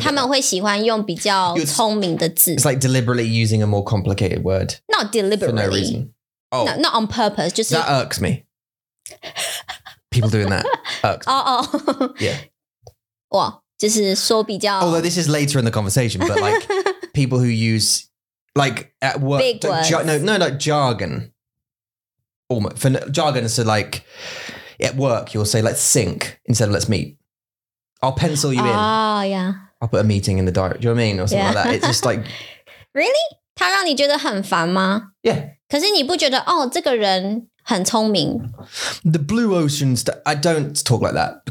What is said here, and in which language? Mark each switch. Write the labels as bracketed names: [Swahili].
[Chinese] 他们会喜欢用比较聪明的字 [English] It's like deliberately using a more complicated word Not deliberately For no reason、oh, no, Not on purpose just That irks me People doing that irks me. Oh oh Yeah [Chinese] 哇就是说比较 [English] Although this is later in the conversation But like people who use Like at work Big words No like jargonFor jargon, so like at work, you'll say let's sync instead of let's meet. I'll pencil you in. Oh, yeah. I'll put a meeting in the diary. Do you know what I mean? Or something、yeah. like that. It's just like. [Chinese] Really? 他让你觉得很烦吗 [English] Yeah. [Chinese] 可是你不觉得哦这个人很聪明 [English] The blue oceans, I don't talk like that.